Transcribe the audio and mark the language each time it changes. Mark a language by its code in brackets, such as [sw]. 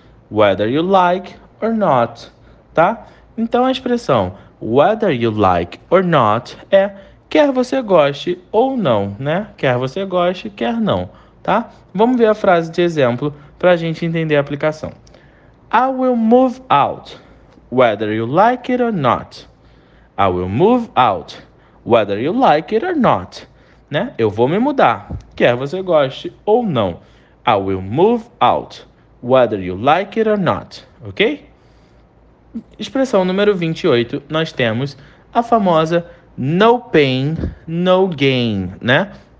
[en] Whether you like or not, [pt] tá? Então, a expressão... [en] Whether you like or not [pt] é quer você goste ou não, né? Quer você goste, quer não, tá? Vamos ver a frase de exemplo para a gente entender a aplicação. [en] I will move out, whether you like it or not. I will move out, whether you like it or not. [pt] Né? Eu vou me mudar, quer você goste ou não. [en] I will move out, whether you like it or not, ok? [pt] Expressão número 28, nós temos a famosa [en] no pain, no gain, [pt] né?